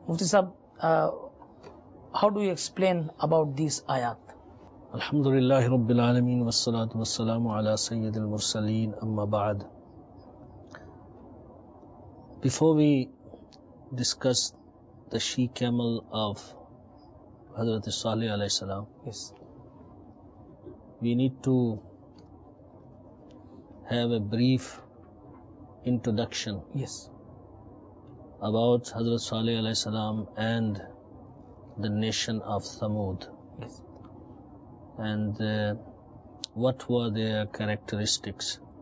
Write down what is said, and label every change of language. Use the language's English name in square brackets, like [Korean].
[English] مفتی صاحب, how do you explain about these آیات؟ [Arabic] الحمدللہ رب العالمین والصلاة والسلام علی سید المرسلین, اما بعد, [English] before we discuss the she camel of حضرت صالح علیہ السلام, yes, we need to have a brief introduction, yes, about Hazrat Saleh alayhi salam and the nation of Thamud, yes, and what were their characteristics.